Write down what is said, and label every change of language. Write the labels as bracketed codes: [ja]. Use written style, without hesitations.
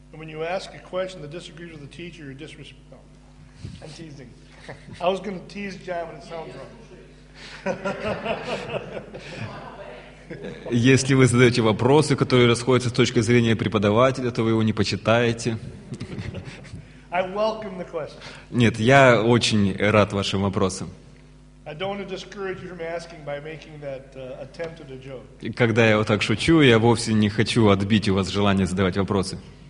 [ru] Если вы задаете вопросы, которые расходятся с точки зрения преподавателя, то вы его не почитаете. [en] I welcome the question. [ru] Нет, я очень рад вашим вопросам. [en] I don't want to discourage you from asking by making that attempt at a joke. [ru] Когда я вот так шучу, я вовсе не хочу отбить у вас желание задавать вопросы.